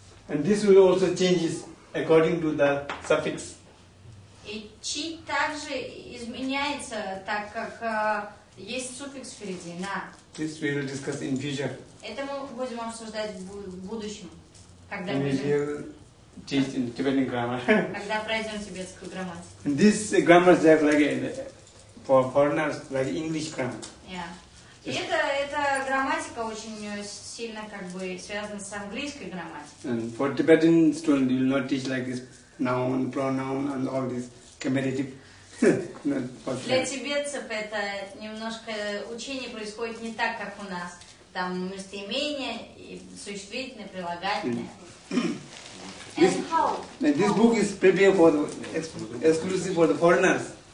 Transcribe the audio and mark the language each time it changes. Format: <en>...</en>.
<en>And this will also change according to the suffix.</en> <ru>И чи также изменяется, так как есть суффикс впереди, на.</ru> <en>This we will discuss in future.</en> <ru>Это мы будем обсуждать в будущем. Когда</ru> <en>we will teach in Tibetan grammar.</en> <ru>Когда пройдем тибетскую грамматику.</ru> <en>And this grammar is like for foreigners, like English grammar. Yeah.</en> <ru>И эта грамматика очень сильно как бы связана с английской грамматикой.</ru> <en>And for Tibetan students, you will not teach like this noun, pronoun, and all this comparative.</en> <ru>Для тибетцев это немножко учение происходит не так, как у нас. Там местоимение, существительное, прилагательное.</ru> <en>And how? This book is prepared for the exclusive for the foreigners.</en>